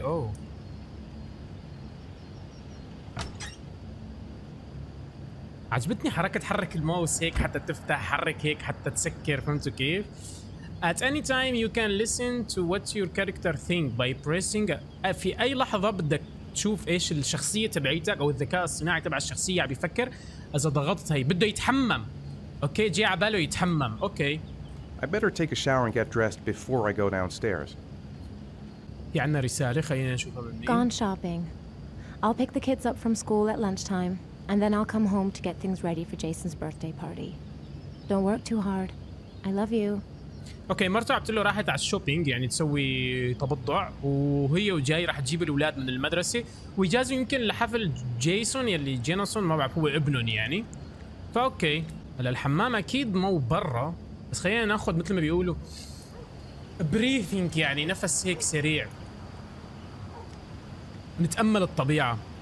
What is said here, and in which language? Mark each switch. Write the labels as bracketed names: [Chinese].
[Arabic] اوه عجبتني حركة حرك الماوس هيك حتى تفتح، حرك هيك حتى تسكر، فهمتوا كيف؟ [English] At any time you can listen to what your character think by pressing. [Arabic] في أي لحظة بدك تشوف إيش الشخصية تبعيتك أو الذكاء الصناعي تبع الشخصية عم بيفكر. إذا ضغطت هي بده يتحمم. أوكي، جي على باله يتحمم. أوكي. [English] I better take a shower and get dressed before I go downstairs. [Arabic] في عنا رسالة، خلينا نشوفها بالمين. [English] Gone shopping. I'll pick the kids up from school at lunchtime and then I'll come home to get things ready for Jason's birthday party. Don't work too hard. I love you. [Arabic] اوكي، مرته عم تقول له راحت على الشوبينج يعني تسوي تبضع، وهي وجاي راح تجيب الاولاد من المدرسه، واجازوا يمكن لحفل جيسون يلي جينسون ما بعرف هو ابنهم يعني. فاوكي، هلا الحمام اكيد مو برا، بس خلينا ناخذ مثل ما بيقولوا بريثينج يعني نفس هيك سريع، نتامل الطبيعه.